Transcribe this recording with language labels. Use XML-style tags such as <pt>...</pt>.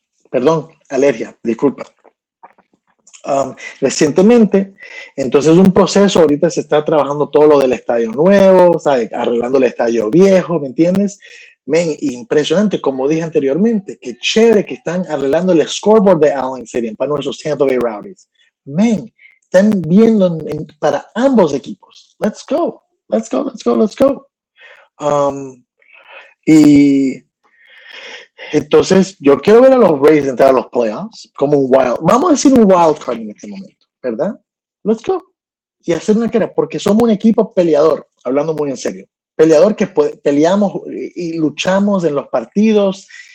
<es>Perdón, alergia, disculpa. Recientemente, entonces un proceso, ahorita se está trabajando todo lo del estadio nuevo, ¿sabes? Arreglando el estadio viejo, ¿me entiendes? Men, impresionante, como dije anteriormente, qué chévere que están arreglando el scoreboard de Allen Stadium para nuestros Tampa Bay Rowdies. Men, están viendo para ambos equipos.</es> <en>Let's go, let's go, let's go, let's go.</en> <es>Y entonces, yo quiero ver a los Rays entrar a los playoffs como un wild, vamos a decir un wild card en este momento, ¿verdad?</es> <en>Let's go.</en> <es>Y hacer una cara, porque somos un equipo peleador, hablando muy en serio. Peleador que peleamos y luchamos en los partidos.</es>